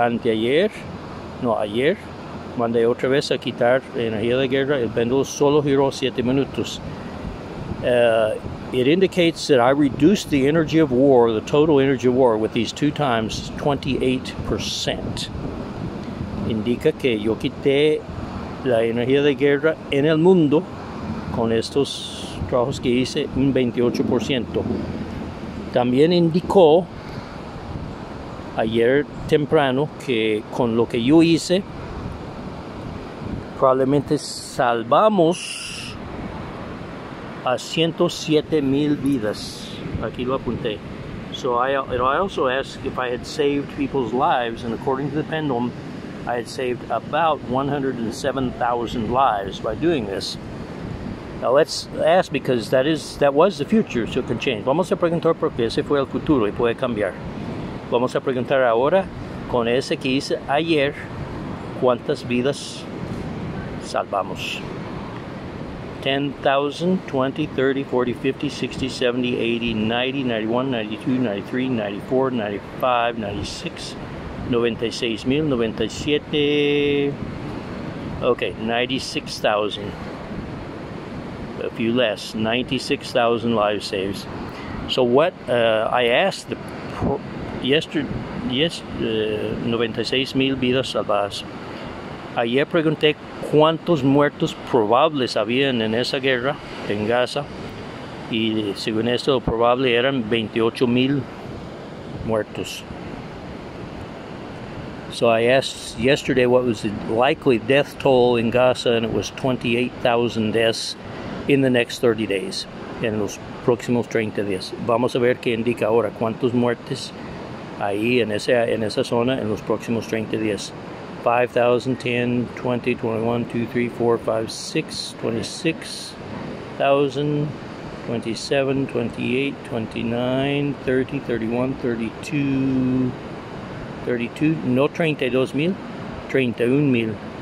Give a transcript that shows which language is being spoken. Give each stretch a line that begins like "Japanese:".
Spanish: Ayer, mandé otra vez a quitar energía de guerra, el péndulo solo giró 7 minutos.
English: It indicates that I reduced the energy of war, the total energy of war, with these two times 28%.
Spanish: Indica que yo quité la energía de guerra en el mundo con estos trabajos que hice un 28%. También indicó ayer temprano que con lo que yo hice, probablemente salvamos a 107 mil vidas. Aquí lo apunté.
English: So I also asked if I had saved people's lives, and according to the pendulum, I had saved about 107,000 lives by doing this. Now let's ask, because that was the future, so it can change.
Spanish: Vamos a preguntar porque ese fue el futuro y puede cambiar. Vamos a preguntar ahora, con ese que hice ayer, ¿cuántas vidas salvamos?
English: 10,000, 20, 30, 40, 50, 60, 70, 80, 90, 91, 92, 93, 94, 95, 96, 96,000, 97, okay, 96,000, a few less, 96,000 life saves. So what I asked yesterday, 96,000
Spanish: vidas salvadas. Ayer pregunté cuántos muertos probables habían en esa guerra, en Gaza, y según esto, lo probable eran 28 mil muertos.
English: So I asked yesterday what was the likely death toll in Gaza, and it was 28,000 deaths in the next 30 days,
Spanish: en los próximos 30 días. Vamos a ver qué indica ahora, cuántos muertos ahí en esa zona en los próximos 30 días.
English: 5,000, 10, 20, 21, 2, 3, 4, 5, 6, 26,000, 27, 28, 29, 30, 31, 31,000,